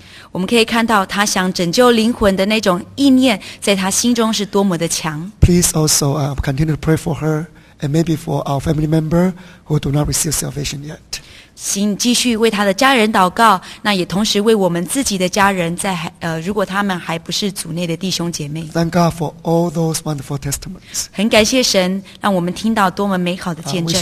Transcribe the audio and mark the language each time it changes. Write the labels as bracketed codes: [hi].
[zh] 我们可以看到她想拯救灵魂的那种意念，在她心中是多么的强。 [en] Please also continue to pray for her and maybe for our family member who do not receive salvation yet. [zh] 请继续为他的家人祷告，那也同时为我们自己的家人，在如果他们还不是组内的弟兄姐妹。 [en] Thank God for all those wonderful testimonies. [zh] 很感谢神，让我们听到多么美好的见证。